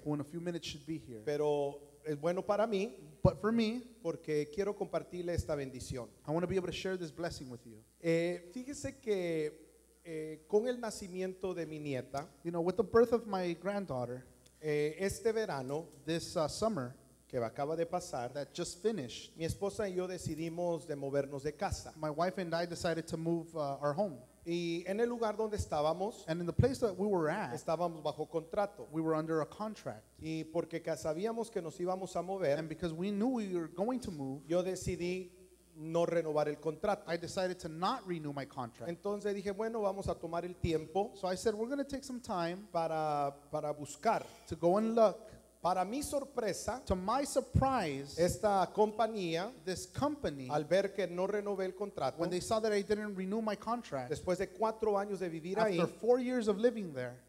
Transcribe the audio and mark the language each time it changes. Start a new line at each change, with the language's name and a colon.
English: Who in a few minutes should be here.
Spanish: Pero es bueno para mí,
English: but for me,
Spanish: porque quiero compartirle esta bendición.
English: I want to be able to share this blessing with you.
Spanish: Fíjese que con el nacimiento de mi nieta,
English: you know, with the birth of my granddaughter,
Spanish: este verano,
English: this summer,
Spanish: que acaba de pasar,
English: that just finished,
Spanish: mi esposa y yo decidimos de movernos de casa.
English: My wife and I decided to move our home.
Spanish: Y en el lugar donde estábamos,
English: and in the place that we were at,
Spanish: estábamos bajo contrato.
English: We were under a contract.
Spanish: Y porque sabíamos que nos íbamos a mover,
English: and because we knew we were going to move,
Spanish: yo decidí no renovar el contrato.
English: I decided to not renew my contract.
Spanish: Entonces dije, bueno, vamos a tomar el tiempo.
English: So I said, we're going to take some time
Spanish: para buscar.
English: To go and look.
Spanish: Para mi sorpresa,
English: to my surprise,
Spanish: esta compañía,
English: this company,
Spanish: al ver que no renové el contrato,
English: when they saw that I didn't renew my contract,
Spanish: después de 4 años de vivir
English: after
Spanish: ahí,
English: after 4 years of living there,